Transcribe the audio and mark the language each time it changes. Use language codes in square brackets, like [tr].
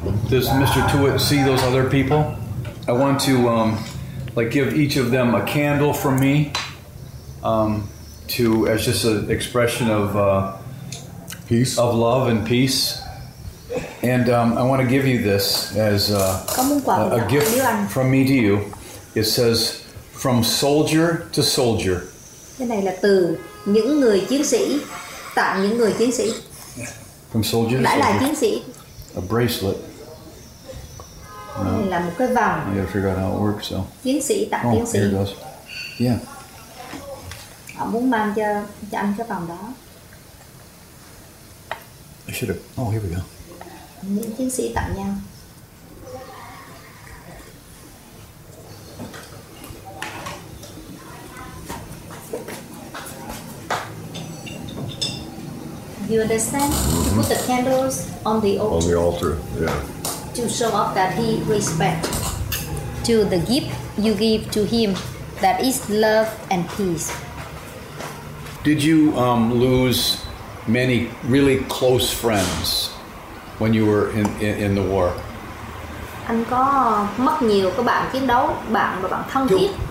[en] Does Mr. Tuitt see those other people? I want to give each of them a candle from me, to as just an expression of peace, of love and peace. And I want to give you this as a gift from me to you. It says, from soldier to soldier. [vi] Cái này là từ những người chiến sĩ tặng những người chiến sĩ. [en] From soldier to soldier. [vi] Đã là chiến sĩ. [en] A bracelet. [vi] Là một cái vòng. [en] I gotta figure out how it works, so. [vi] Chiến sĩ tặng chiến sĩ. [en] Oh, here it goes. Yeah. [vi] Họ muốn mang cho anh cái vòng đó. [en] I should have. Oh, here we go. [vi] Những chiến sĩ tặng nhau. [en] You understand? Mm-hmm. He put the candles on the altar. On the altar, yeah. To show up that he respect to the gift you give to him, that is love and peace. Did you lose many really close friends when you were in the war? [vi] Anh có mất nhiều các bạn chiến đấu, bạn và bạn thân thiết.